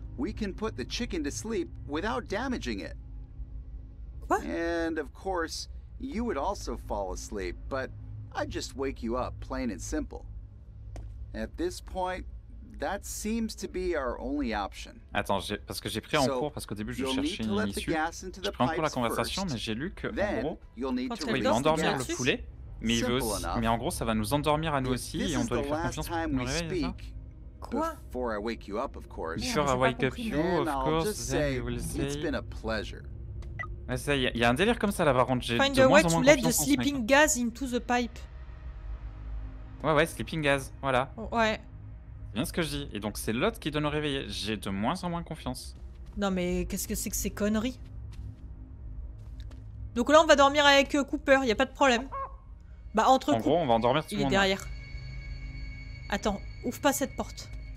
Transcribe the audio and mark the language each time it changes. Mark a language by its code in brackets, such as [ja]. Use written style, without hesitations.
[en] we can put the chicken to sleep without damaging it. What? And of course, you would also fall asleep, but I'd just wake you up, plain and simple. At this point, that seems to be our only option. [fr] Attends, j'ai, parce que j'ai pris en cours, parce qu'au début je cherchais une issue. J'ai pris en cours la conversation, mais j'ai lu que en gros, tu vas endormir le poulet. Mais, il veut aussi... mais en gros, ça va nous endormir à nous aussi et on doit lui faire confiance pour nous réveiller. Quoi? [en] Before I wake up, you, of course, I will say. It's been a pleasure. [fr] Ouais, ça, y a un délire comme ça là, par contre. J'ai [en] find [fr] de moins en moins [en] to let the sleeping gas into the pipe. [fr] Ouais, ouais, [en] sleeping gas, [fr] voilà. Ouais. C'est bien ce que je dis. Et donc, c'est l'autre qui doit nous réveiller. J'ai de moins en moins confiance. Non, mais qu'est-ce que c'est que ces conneries? Donc là, on va dormir avec Cooper, y a pas de problème. Bah entre en gros, on va endormir tout le monde. Il est derrière. Attends, ouvre pas cette porte.